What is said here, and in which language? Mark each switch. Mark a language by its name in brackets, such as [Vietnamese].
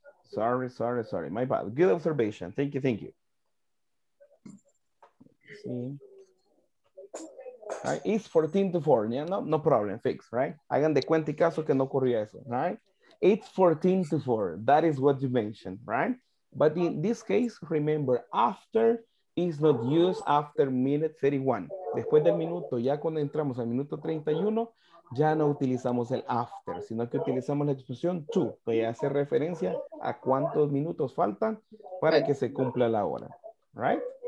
[English] Sorry. My bad. Good observation. Thank you. Let's see. Right. It's 14 to 4. Yeah, no problem. Fix, right? [Spanish] Hagan de cuenta y caso que no ocurría eso, right? [English] It's 14 to 4. That is what you mentioned, right? But in this case, remember, after is not used after minute 31. [Spanish] Después del minuto, ya cuando entramos al minuto 31, ya no utilizamos el after, sino que utilizamos la expresión to, que hace referencia a cuántos minutos faltan para que se cumpla la hora, right?